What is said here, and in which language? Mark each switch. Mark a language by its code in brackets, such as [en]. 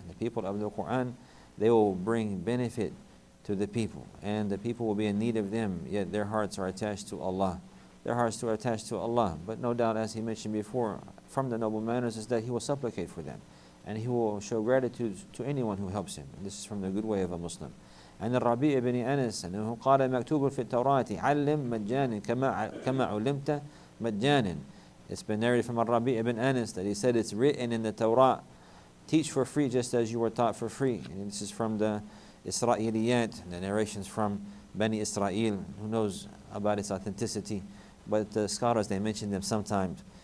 [en] The people of the Quran, they will bring benefit to the people. And the people will be in need of them, yet their hearts are attached to Allah. Their hearts are attached to Allah. But no doubt, as he mentioned before, from the noble manners is that he will supplicate for them. And he will show gratitude to anyone who helps him. And this is from the good way of a Muslim. And Rabi ibn Anas, who [ar] قال مكتوب في التوراة علم مجانا كما علمت مجانا. [en] It's been narrated from Rabi ibn Anas that he said, "It's written in the Torah, teach for free just as you were taught for free." And this is from the Isra'iliyat, the narrations from Bani Israel. Who knows about its authenticity? But the scholars, they mention them sometimes.